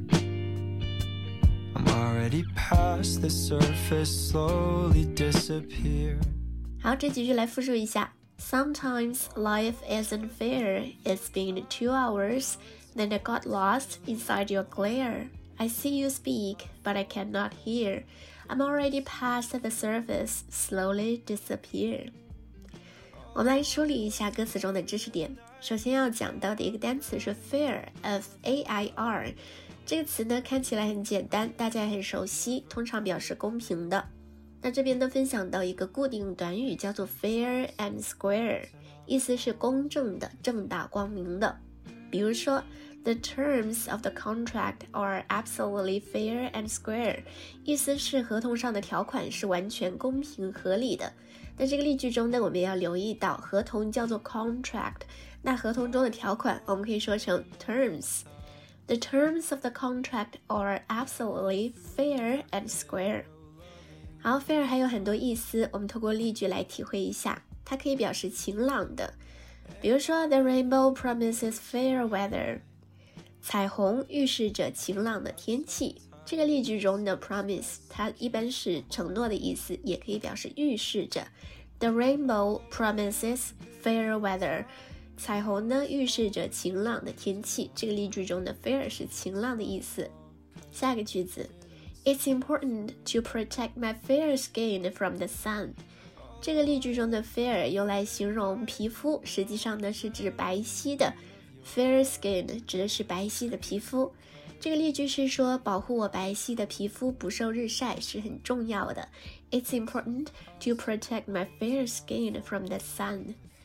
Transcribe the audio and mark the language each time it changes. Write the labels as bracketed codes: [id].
[en] I'm already past the surface, slowly disappear. [zh] 好，这几句来复述一下。 [en] Sometimes life isn't fair. It's been 2 hours, then I got lost inside your glare. I see you speak, but I cannot hear. I'm already past the surface, slowly disappear. [zh] 我们来梳理一下歌词中的知识点。首先要讲到的一个单词是 fair, F-A-I-R。这个词呢，看起来很简单，大家很熟悉，通常表示公平的。那这边呢，分享到一个固定短语叫做 fair and square, 意思是公正的，正大光明的。比如说 [en] The terms of the contract are absolutely fair and square， [zh] 意思是合同上的条款是完全公平合理的。在这个例句中呢，我们要留意到合同叫做 contract， 那合同中的条款我们可以说成 terms。 [en] The terms of the contract are absolutely fair and square。 [zh] 好， fair 还有很多意思，我们透过例句来体会一下。它可以表示晴朗的，比如说 [en] The rainbow promises fair weather， [zh] 彩虹预示着晴朗的天气。这个例句中的 promise 它一般是承诺的意思，也可以表示预示着。 [en] The rainbow promises fair weather， [zh] 彩虹呢预示着晴朗的天气。这个例句中的 fair 是晴朗的意思。下一个句子， [en] It's important to protect my fair skin from the sun。 [zh] 这个例句中的 fair 用来形容皮肤，实际上呢是指白皙的。 fair skin 指的是白皙的皮肤。这个例句是说保护我白皙的皮肤不受日晒是很重要的。 [en] It's important to protect my fair skin from the sun。